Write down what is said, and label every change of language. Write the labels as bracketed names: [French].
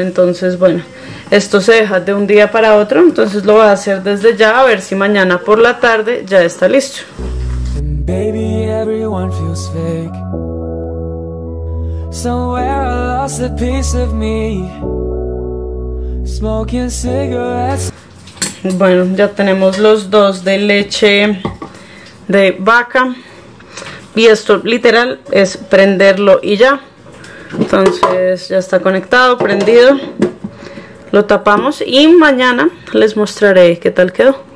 [Spanish] Entonces, bueno, esto se deja de un día para otro, entonces lo voy a hacer desde ya, a ver si mañana por la tarde ya está listo. [English] Baby, everyone feels fake. Somewhere I lost a piece of me. Smoking cigarettes. [Spanish] Bueno, ya tenemos los 2 de leche de vaca. Y esto literal es prenderlo y ya. Entonces ya está conectado, prendido. Lo tapamos y mañana les mostraré qué tal quedó.